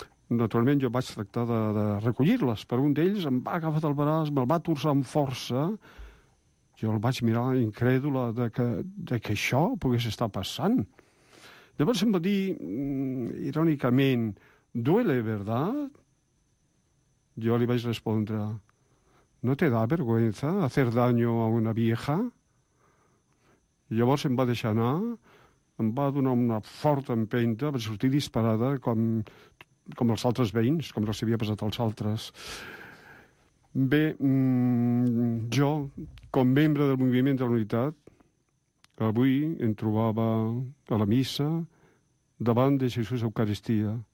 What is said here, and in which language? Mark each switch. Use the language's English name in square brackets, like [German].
[Catalan] Naturalment, jo vaig tractar de recollir-les, però un d'ells em va agafar del braç, me'l va torçar amb força. Jo el vaig mirar incrèdula de que això pogués estar passant. Llavors em va dir, irònicament, [Spanish] duele, ¿verdad? [Catalan] Jo li vaig respondre, [Spanish] ¿no te da vergüenza hacer daño a una vieja? [Catalan] Llavors em va deixar anar, em va donar una forta empenta, va sortir disparada com els altres veïns, com els havia passat als altres. Bé, jo, com membre del moviment de la unitat, avui em trobava a la missa davant de Jesús Eucaristia.